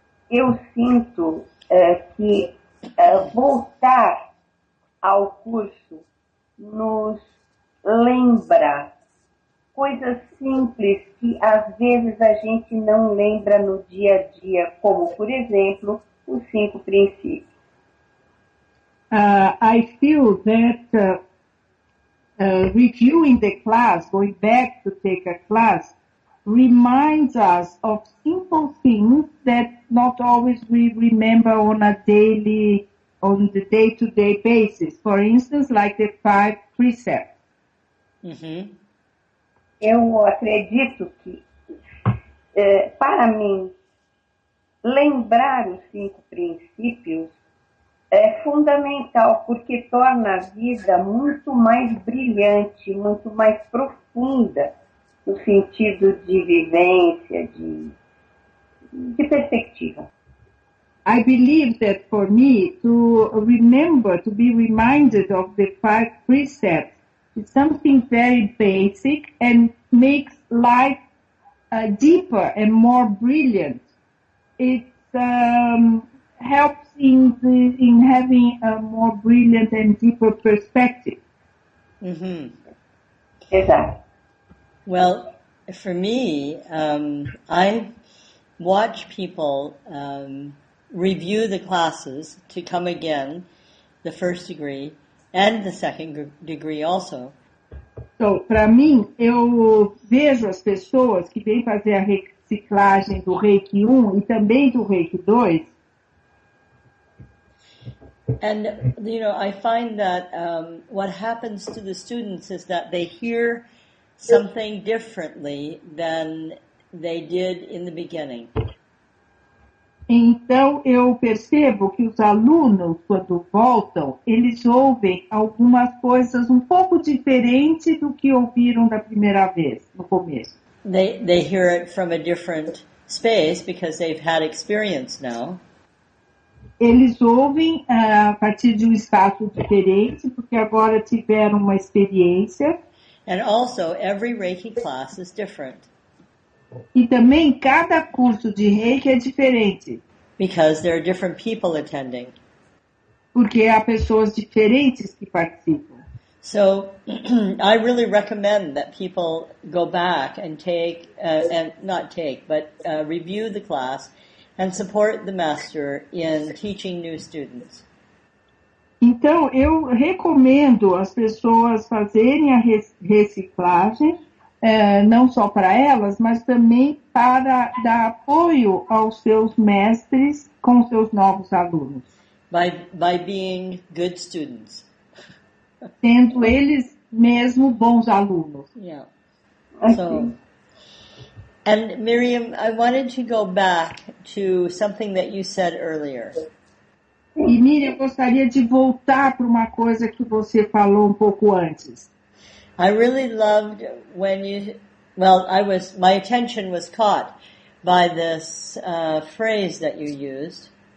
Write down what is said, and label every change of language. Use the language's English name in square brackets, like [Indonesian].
[Portuguese] Eu sinto que voltar ao curso nos lembra coisas simples que às vezes a gente não lembra no dia a dia, como, por exemplo, os cinco princípios. [English] I feel that reviewing the class, going back to take a class, reminds us of simple things that not always we remember on the day-to-day basis. For instance, like the five precepts. Mm-hmm. [Portuguese] Eu acredito que, para mim, lembrar os cinco princípios é fundamental, porque torna a vida muito mais brilhante, muito mais profunda, no sentido de vivência, de perspectiva. [English] I believe that for me, to remember, to be reminded of the five precepts, is something very basic and makes life deeper and more brilliant. It helps in having a more brilliant and deeper perspective. Mm-hmm. Exactly. Well, for me, I watch people review the classes to come again, the first degree and the second degree also. [Portuguese] So, para mim, eu vejo as pessoas que vêm fazer a reciclagem do Reiki 1 e também do Reiki 2. [English] And, you know, I find that what happens to the students is that they hear something differently than they did in the beginning. [Portuguese] Então, eu percebo que os alunos, quando voltam, eles ouvem algumas coisas um pouco diferente do que ouviram da primeira vez, no começo. [English] They hear it from a different space because they've had experience now. [Portuguese] Eles ouvem a partir de um espaço diferente porque agora tiveram uma experiência. [English] And also, every Reiki class is different. [Portuguese] E também cada curso de Reiki é diferente. [English] Because there are different people attending. [Portuguese] Porque há pessoas diferentes que participam. [English] So, I really recommend that people go back and take, and not take, but review the class and support the master in teaching new students. [Portuguese] Então, eu recomendo as pessoas fazerem a reciclagem, não só para elas, mas também para dar apoio aos seus mestres com seus novos alunos. [English] By being good students. [Portuguese] Sendo eles mesmo bons alunos. [English] Yeah. And Miriam, I wanted to go back to something that you said earlier. [Portuguese] E Miriam, eu gostaria de voltar para uma coisa que você falou um pouco antes. [English] I really loved when you, my attention was caught by this phrase that you used.